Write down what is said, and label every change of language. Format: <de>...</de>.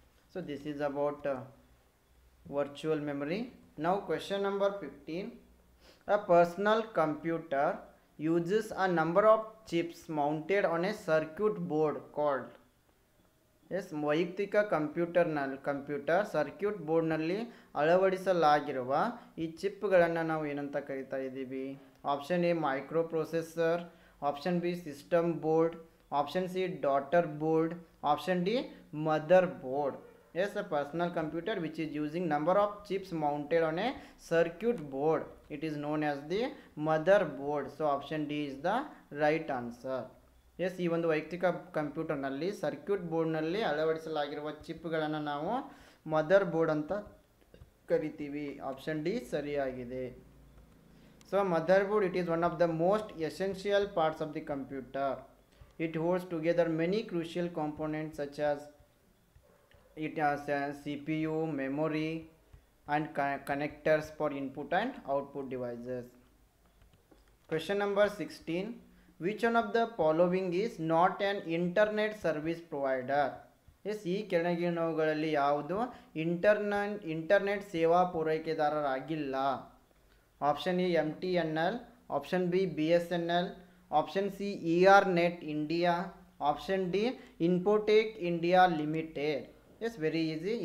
<en>So this is about virtual memory. Now question number 15. A personal computer uses a number of chips mounted on a circuit board called.</en> <kn>Yes, ವೈಯಕ್ತಿಕ computer circuit ಬೋರ್ಡ್ನಲ್ಲಿ ಅಳವಡಿಸಲಾಗಿರುವ ಈ ಚಿಪ್ಗಳನ್ನು ನಾವು ಏನಂತ ಕರಿತಾ ಇದ್ದೀವಿ?</kn> <en>Option A microprocessor, option B system board, option C daughter board, option D mother board. Yes, a personal computer which is using number of chips mounted on a circuit board, it is known as the mother board. So option D is the right answer.</en> <kn>S, ಈ ಒಂದು ವೈಯಕ್ತಿಕ ಕಂಪ್ಯೂಟರ್ನಲ್ಲಿ circuit ಬೋರ್ಡ್ನಲ್ಲಿ ಅಳವಡಿಸಲಾಗಿರುವ ಚಿಪ್ಗಳನ್ನು ನಾವು mother board ಅಂತ ಕರಿತೀವಿ. Option D ಸರಿಯಾಗಿದೆ.</kn> <en>So mother board, it is one of the most essential parts of the computer. It holds together many crucial components such as it CPU, memory and connectors for input and output devices. Question number 16. Which one of the following is not an internet service provider?</en> <kn>Yes, ಈ ಕೆಳಗಿನವುಗಳಲ್ಲಿ ಯಾವುದು internet ಸೇವಾ ಪೂರೈಕೆದಾರರಾಗಿಲ್ಲ?</kn> <en>Option A MTNL, option B BSNL, option C ERNET India, option D Infotech India Limited. Yes, very easy.</en>